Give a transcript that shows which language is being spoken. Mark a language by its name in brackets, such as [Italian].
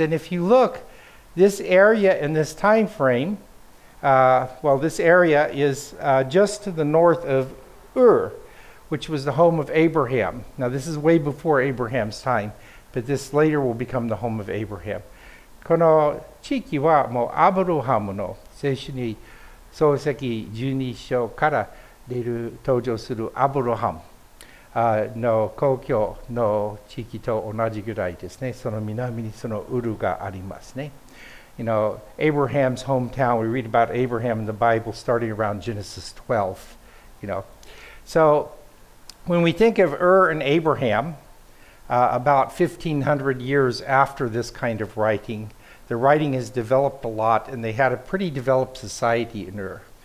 [English] And if you look, this area in this time frame, this area is just to the north of Ur, which was the home of Abraham. Now, this is way before Abraham's time, but this later will become the home of Abraham. [Japanese] この地域はもうアブラハムの聖書に創世記12章から出る登場するアブラハム。の故郷の地域と同じぐらいですね。その南にそのウルがありますね。 [English] You know, Abraham's hometown, we read about Abraham in the Bible starting around Genesis 12. You know, so when we think of and Abraham, about 1500 years after this kind of writing, the writing has developed a lot, and they had a pretty developed society in Ur.